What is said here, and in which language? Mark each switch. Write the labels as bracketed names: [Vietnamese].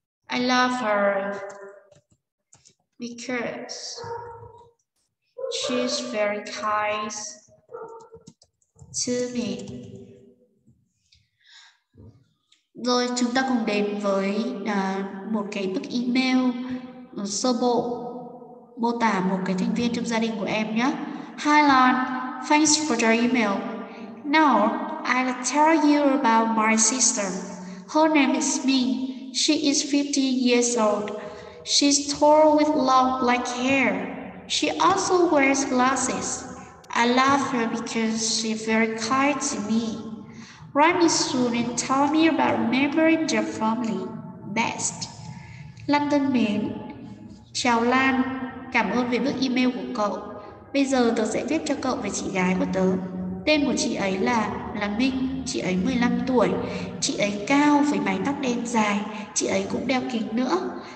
[English] I love her because she's very kind to me. [Vietnamese] Rồi chúng ta cùng đến với một cái bức email sơ bộ mô tả một cái thành viên trong gia đình của em nhé. [English] Hi Lon, thanks for your email. Now, I'll tell you about my sister. Her name is Ming. She is 15 years old. She's tall with long black hair. She also wears glasses. I love her because she's very kind to me. Write me soon and tell me about remembering your family best. [Vietnamese] Lan thân mến, chào Lan, cảm ơn về bức email của cậu. Bây giờ tớ sẽ viết cho cậu về chị gái của tớ. Tên của chị ấy là Minh, chị ấy 15 tuổi. Chị ấy cao với mái tóc đen dài, chị ấy cũng đeo kính nữa.